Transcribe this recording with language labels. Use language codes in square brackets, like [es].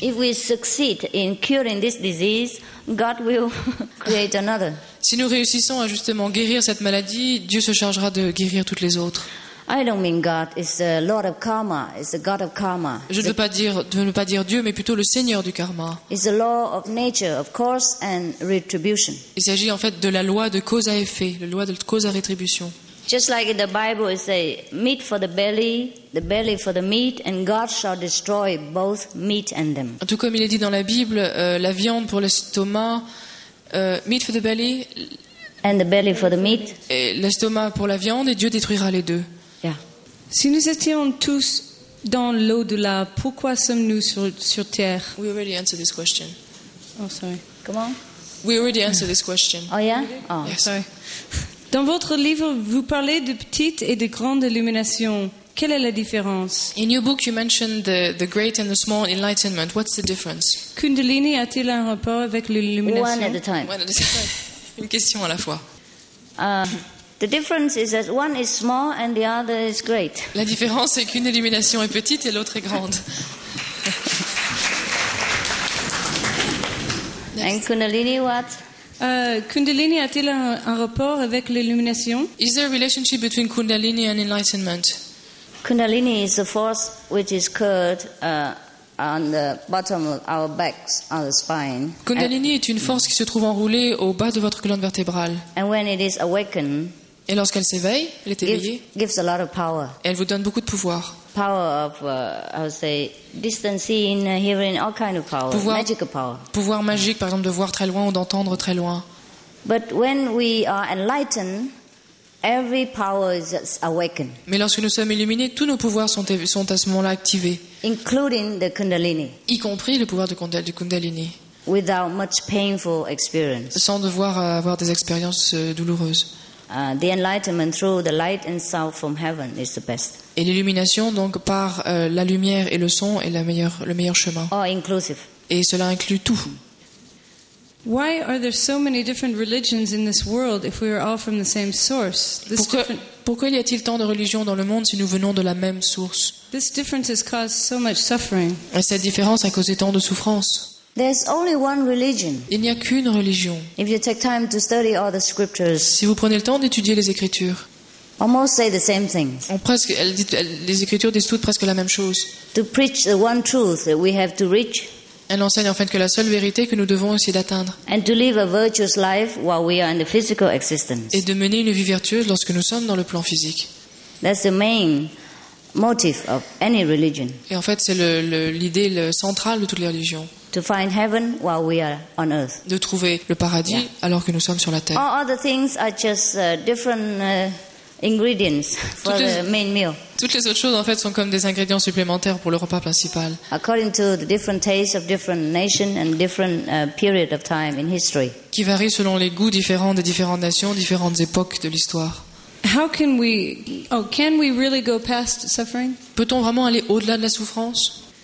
[en] If we succeed in curing this disease, God will create another. [fr] Si nous réussissons à justement guérir cette maladie, Dieu se chargera de guérir toutes les autres. [en] I don't mean God, it's the Lord of karma, it's the God of karma. [fr] Je ne veux pas dire Dieu, mais plutôt le Seigneur du karma. [en] It's the law of nature, of course, and retribution. [fr] Il s'agit en fait de la loi de cause à effet, la loi de cause à rétribution. [en] Just like in the Bible it says, meat for the belly for the meat, and God shall destroy both meat and them. [fr] Tout comme il est dit dans la Bible, la viande pour l'estomac, [en] meat for the belly, and the belly for the meat. [fr] Et l'estomac pour la viande, et Dieu détruira les deux. Si nous étions tous dans l'au-delà, pourquoi sommes-nous sur Terre? [en] We already answered this question. Oh, sorry. Come on. We already answered this question. Oh, yeah? Oh. Yes. Sorry. [fr] Dans votre livre, vous parlez de petite et de grande illumination. Quelle est la différence? [en] In your book, you mentioned the great and the small enlightenment. What's the difference? [fr] Kundalini a-t-il un rapport avec l'illumination? [en] One at a time. One at a time. [fr] Une question à la fois. [en] The difference is that one is small and the other is great. [fr] La différence est qu'une illumination est petite et l'autre est grande. [en] And Kundalini, what? [fr] Kundalini a-t-il un rapport avec l'illumination? [en] Is there a relationship between Kundalini and enlightenment? Kundalini is the force which is called on the bottom of our backs, on the spine. [fr] Kundalini est une force qui se trouve enroulée au bas de votre colonne vertébrale. [en] And when it is awakened. [fr] Et lorsqu'elle s'éveille, elle est éveillée. [en] Gives a lot of power. [fr] Et elle vous donne beaucoup de pouvoir. [en] Power of, I would say, distant seeing, hearing, all kind of power. [fr] Pouvoir, [en] magical power. [fr] Pouvoir magique, par exemple, de voir très loin ou d'entendre très loin. [en] But when we are enlightened, every power is awakened. [fr] Mais lorsque nous sommes illuminés, tous nos pouvoirs sont à ce moment-là activés. [en] Including the Kundalini. [fr] Y compris le pouvoir du Kundalini. [en] Without much painful experience. [fr] Sans devoir avoir des expériences douloureuses. [en] The enlightenment through the light and sound from heaven is the best. [fr] Et l'illumination donc par la lumière et le son est le meilleur chemin. [en] All inclusive. [fr] Et cela inclut tout. [en] Why are there so many different religions in this world if we are all from the same source? [fr] Pourquoi y a-t-il tant de religions dans le monde si nous venons de la même source? [en] This difference has caused so much suffering. [fr] Et cette différence a causé tant de souffrance. [en] There's only one religion. [fr] Il n'y a qu'une religion. [en] If you take time to study all the scriptures, [fr] si vous prenez le temps d'étudier les écritures, [en] almost say the same thing. [fr] Les écritures disent toutes presque la même chose. [en] To preach the one truth that we have to reach. [fr] Elle enseigne en fait que la seule vérité que nous devons essayer d'atteindre. [en] And to live a virtuous life while we are in the physical existence. [fr] Et de mener une vie vertueuse lorsque nous sommes dans le plan physique. [en] That's the main motive of any religion. [fr] Et en fait, c'est l'idée centrale de toutes les religions. [en] To find heaven while we are on earth. [fr] De trouver le paradis alors que nous sommes sur la terre. [en] All other things are just different ingredients for the main meal. [fr] Toutes les autres choses en fait sont comme des ingrédients supplémentaires pour le repas principal. [en] According to the different tastes of different nations and different period of time in history. [fr] Qui varient selon les goûts différents des différentes nations, différentes époques de l'histoire. [en] How can we? Oh, can we really go past suffering? [fr] Peut-on vraiment aller au-delà de la souffrance?